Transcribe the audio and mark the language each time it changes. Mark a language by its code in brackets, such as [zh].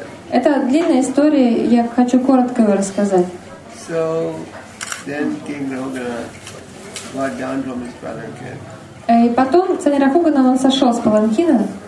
[ru] Это длинная история, я хочу коротко ее рассказать. [en] So, then King Rahugana got down from his palanquin. [ru] И потом царь Рахугана, он сошел с паланкина.